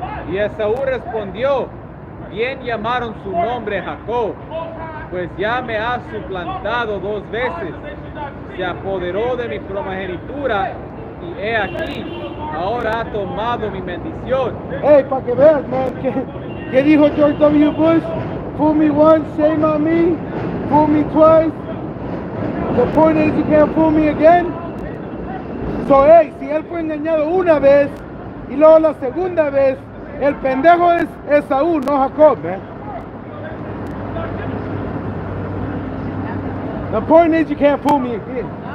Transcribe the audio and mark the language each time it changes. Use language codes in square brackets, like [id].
[es] Y Esaú respondió, bien llamaron su nombre Jacob, pues ya me ha suplantado dos veces, se apoderó de mi primogenitura, y he aquí, ahora ha tomado mi bendición. Hey, para que veas, man, ¿qué dijo George W. Bush? [en] Fool me once, shame on me, fool me twice. The point is, you can't fool me again. [es] So, hey, si él fue engañado una vez, y luego la segunda vez, el pendejo es Esaú, no Jacob, man. [en] The point is, you can't fool me again.